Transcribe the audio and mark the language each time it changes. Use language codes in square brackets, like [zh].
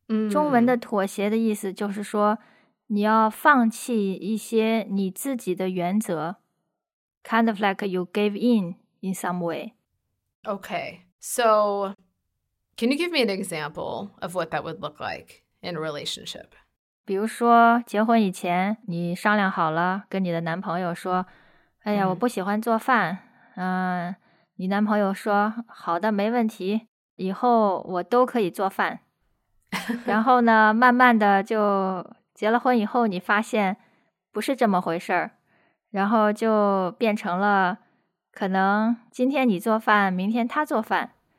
[zh] 中文的妥协的意思就是说你要放弃一些你自己的原则。 [en] Kind of like you gave in some way. Okay, so... Can you give me an example of what that would look like in a relationship? [zh] 比如说结婚以前你商量好了跟你的男朋友说哎呀、我不喜欢做饭你男朋友说好的没问题以后我都可以做饭。然后呢慢慢的就结了婚以后你发现不是这么回事儿然后就变成了可能今天你做饭明天他做饭。